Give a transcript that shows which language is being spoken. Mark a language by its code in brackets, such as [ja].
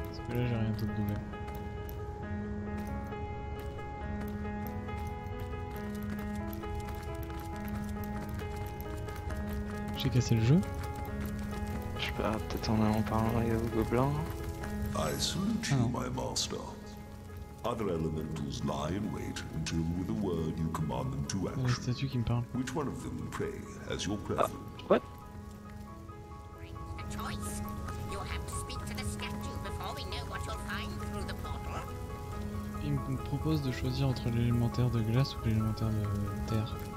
[fr] Là j'ai rien d'autre d'ouvert. J'ai cassé le jeu. Je sais pas, peut-être en allant parler au gobelin. Ah non. [en] Other elementals lie in wait until the word you command them to action. [fr] C'est la statue qui me parle. [en] Which one of them, pray, has your preference? What? A choice. You have to speak to the statue before we know what you'll find through the portal. [fr] Il me propose de choisir entre l'élémentaire de glace ou l'élémentaire de terre.